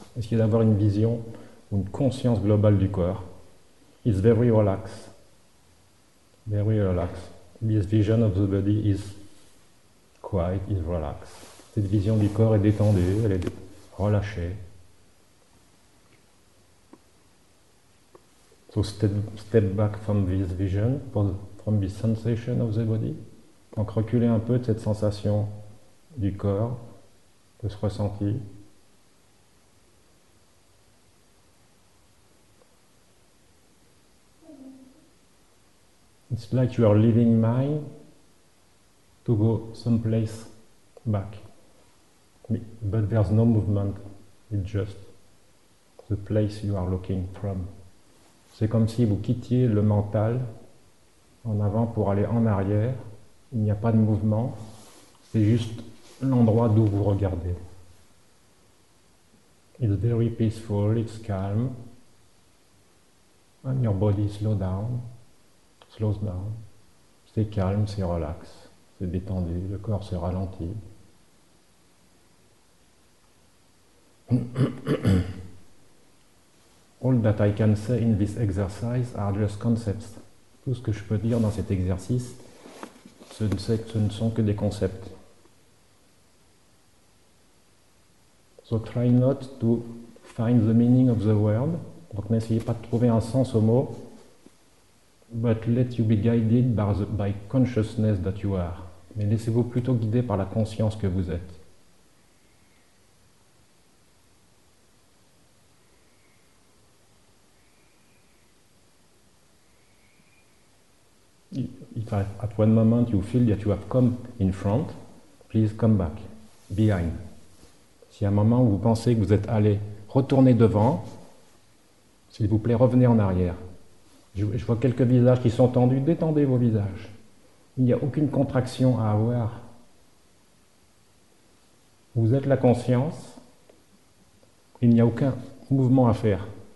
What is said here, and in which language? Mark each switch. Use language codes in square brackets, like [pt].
[fr] Essayez d'avoir une vision ou une conscience globale du corps. [en] It's very relaxed. Very relaxed. This vision of the body is quiet, is relaxed. [fr] Cette vision du corps est détendue, elle est relâchée. [en] So step back from this vision, from this sensation of the body. [fr] Donc reculez un peu de cette sensation du corps, de ce ressenti. [en] It's like you are leaving mind to go someplace back. But there's no movement, it's just the place you are looking from. [fr] C'est comme si vous quittiez le mental en avant pour aller en arrière. Il n'y a pas de mouvement, c'est juste l'endroit d'où vous regardez. [en] It's very peaceful, it's calm. And your body slows down. [fr] C'est calme, c'est relax, c'est détendu, le corps se ralentit. [en] All that I can say in this exercise are just concepts. [fr] Tout ce que je peux dire dans cet exercice, ce ne sont que des concepts. [en] So try not to find the meaning of the word. [fr] Donc n'essayez pas de trouver un sens au mot. [en] But let you be guided by consciousness that you are. [fr] Mais laissez-vous plutôt guider par la conscience que vous êtes. [en] If at one moment you feel that you have come in front, please come back, behind. [fr] Si à un moment où vous pensez que vous êtes allé, retournez devant, s'il vous plaît, revenez en arrière. Je vois quelques visages qui sont tendus, détendez vos visages. Il n'y a aucune contraction à avoir. Vous êtes la conscience, il n'y a aucun mouvement à faire.